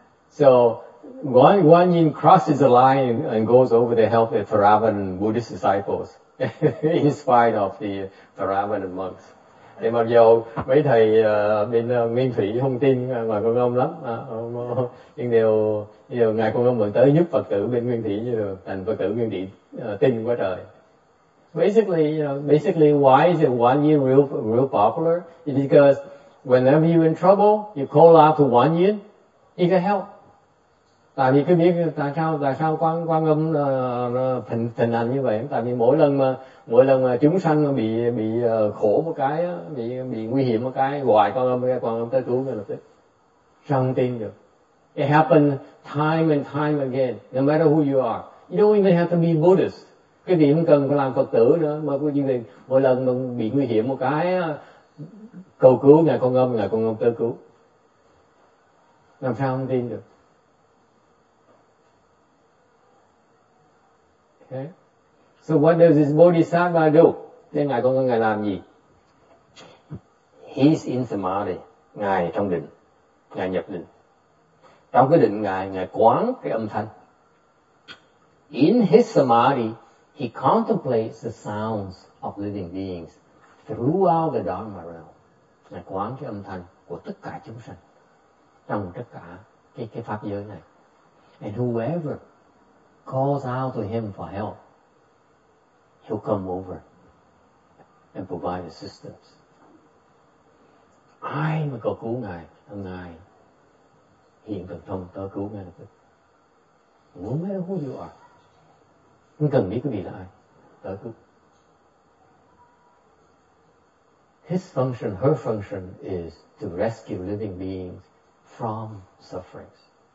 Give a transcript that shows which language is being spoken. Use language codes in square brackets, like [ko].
[en] So one yin crosses the line and goes over to help the Theravada Buddhist disciples in spite of the Theravada monks. [vi] Thì mặc dù mấy thầy bên Nguyên Thủy không tin Ngài Quan Âm lắm, nhưng đều Ngài Quan Âm vẫn tới giúp Phật tử bên Nguyên Thủy, như thành Phật tử Nguyên Thủy tin quá trời. [en] Basically, why is it one yin real popular? It's because whenever you're in trouble, you call out to one yin, he can help. [vi] Tại vì cứ biết tại sao Quan Âm thịnh hành như vậy, tại vì mỗi lần mà chúng sanh bị khổ một cái, bị nguy hiểm một cái, gọi Quan Âm tới cứu ngay lập tức. Sanh tin được. [en] It happened time and time again, no matter who you are. You don't even have to be Buddhist. [vi] cái điểm cần phải làm Phật tử nữa. Mà có những người mỗi lần mà bị nguy hiểm một cái cầu cứu Ngài Con Âm, Ngài Con Âm tới cứu, làm sao không tin được. [en] Okay. So what does this Bodhisattva do? [vi] Thế Ngài Con Âm Ngài làm gì? [en] He's in Samadhi. [vi] Ngài trong định. Ngài nhập định. Trong cái định Ngài, Ngài quán cái âm thanh. [en] In his Samadhi, he contemplates the sounds of living beings throughout the Dharma realm. [vi] Ngài quán cái âm thanh của tất cả chúng sanh trong tất cả cái pháp giới này. [en] And whoever calls out to him for help, he'll come over and provide assistance. [vi] Ai mà cầu cứu Ngài, Ngài hiện thực thông tới cứu ngay lập tức. [en] No matter who you are, [vi] không cần biết cái gì là ai, tới cứu. [en] His function, her function is to rescue living beings from sufferings.